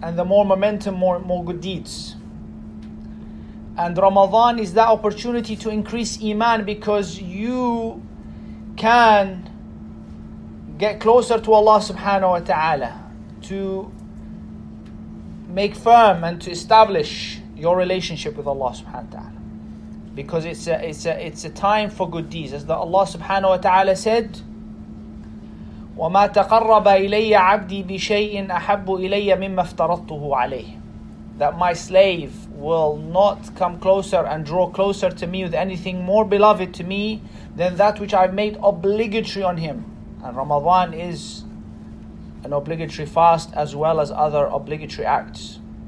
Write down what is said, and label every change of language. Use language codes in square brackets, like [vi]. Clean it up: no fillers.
[en] And the more momentum, more good deeds. And Ramadan is that opportunity to increase iman, because you can get closer to Allah subhanahu wa ta'ala, to make firm and to establish your relationship with Allah subhanahu wa ta'ala. Because it's a time for good deeds. As the Allah subhanahu wa ta'ala said, [ar] وَمَا تَقَرَّبَ إِلَيَّ عَبْدِي بِشَيْءٍ أَحَبُّ إِلَيَّ مِمَّ افْتَرَطْتُهُ عَلَيْهِ. [en] That my slave will not come closer and draw closer to me with anything more beloved to me than that which I've made obligatory on him. And Ramadan is an obligatory fast as well as other obligatory acts.